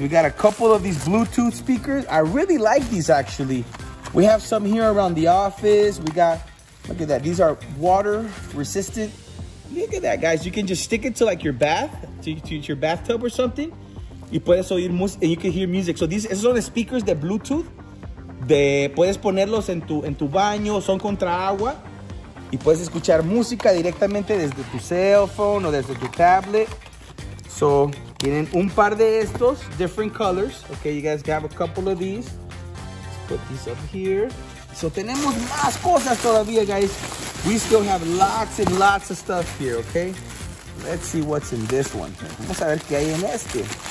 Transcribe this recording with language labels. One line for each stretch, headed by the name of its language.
English: We got a couple of these Bluetooth speakers. I really like these, actually. We have some here around the office. We got, look at that. These are water resistant. Look at that, guys. You can just stick it to like your bath, to your bathtub or something.
Spanish: Y puedes oír música,
English: and you can hear music. So these,
Spanish: esos son speakers de Bluetooth. De puedes ponerlos en tu baño, son contra agua. Y puedes escuchar música directamente desde tu cell phone o desde tu tablet. So, tienen un par de estos,
English: different colors. Okay, you guys grab a couple of these. Let's put these up here. So,
Spanish: tenemos más cosas todavía,
English: guys. We still have lots and lots of stuff here, okay? Let's see what's in this one.
Spanish: Vamos a ver qué hay en este.